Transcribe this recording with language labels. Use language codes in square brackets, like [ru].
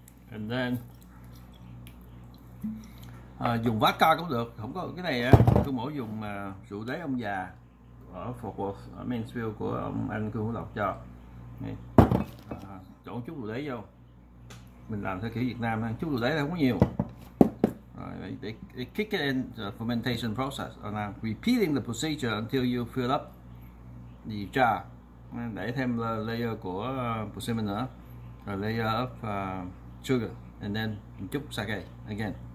[en] And then [vi] dùng vodka cũng được, không có cái này á, cứ mỗi dùng rượu đáy ông già ở Fort Worth, ở Mansfield của ông anh Cương Hữu Lộc cho. Chỗ chút rượu đáy vô. Mình làm theo kiểu Việt Nam ha, chút rượu đáy là không có nhiều. [en] They kick it in the fermentation process and I'm repeating the procedure until you fill up the jar. [vi] Để thêm [en] layer của persimmon nữa, a layer of sugar and then chút sake again.